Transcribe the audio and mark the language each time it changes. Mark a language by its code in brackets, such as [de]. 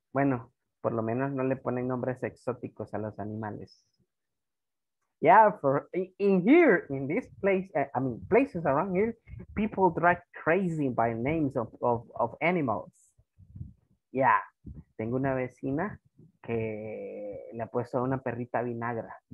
[es] Bueno, por lo menos no le ponen nombres exóticos a los animales. [en] Yeah, for in here, in this place, I mean, places around here, people drive crazy by names of animals. [es] Yeah, tengo una vecina que le ha puesto una perrita vinagra.